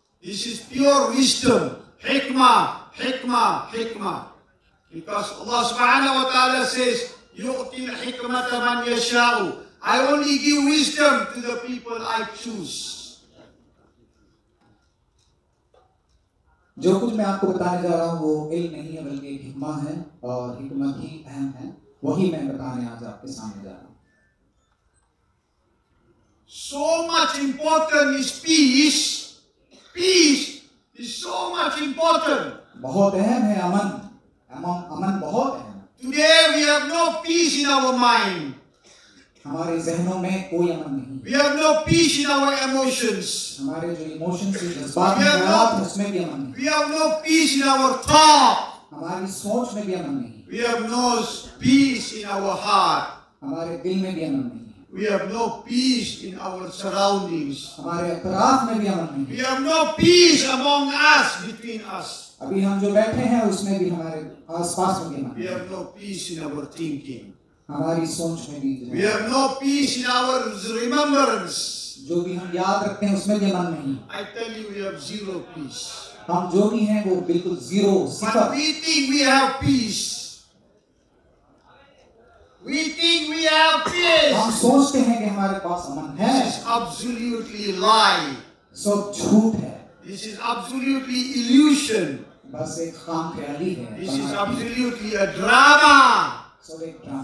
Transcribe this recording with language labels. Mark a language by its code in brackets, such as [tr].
[en] This is pure wisdom. Hikmah. Because Allah subhanahu wa ta'ala says, [ar] يُؤْتِي الْحِكْمَةَ مَنْ يَشَاءُ. [en] I only give wisdom to the people I choose. [hi] जो कुछ मैं आपको बताने जा रहा हूँ वो इल्म नहीं है बल्कि हिक्मा है, और हिक्मा ही अहम है, वही मैं बताने आज आपके सामने जा रहा हूँ. [en] So much important is peace. Peace is so much important. [hi] बहुत अहम है अमन. अमन बहुत अहम. [en] Today we have no peace in our mind. [hi] हमारे जहनों में कोई अमन नहीं. [en] We have no peace in our emotions. [hi] हमारे जो emotions हैं, जज्बात हैं, हालात हैं, उसमें भी अमन नहीं. [en] We have no peace in our thought. [hi] हमारी सोच में भी अमन नहीं. [en] We have no peace in our heart. [hi] हमारे दिल में भी अमन नहीं. [en] We have no peace in our surroundings. [hi] हमारे अतराफ में भी अमन नहीं. [en] We have no peace among us, between us. [hi] अभी हम जो बैठे हैं उसमें भी हमारे आसपास में भी अमन. [en] We have no peace in our thinking. [hi] हमारी सोच में भी. [en] We have no peace in our remembrance. [hi] जो भी हम याद रखते हैं उसमें भी अमन नहीं. [en] I tell you, we have zero peace. [hi] हम जो भी हैं वो बिल्कुल zero. [en] But we think we have peace. [hi] हम सोचते हैं कि हमारे पास अमन है. [en] This is absolutely lie. [hi] सब झूठ है. [en] This is absolutely illusion. [hi] बस एक खाम ख्याली है. [en] This is absolutely a drama.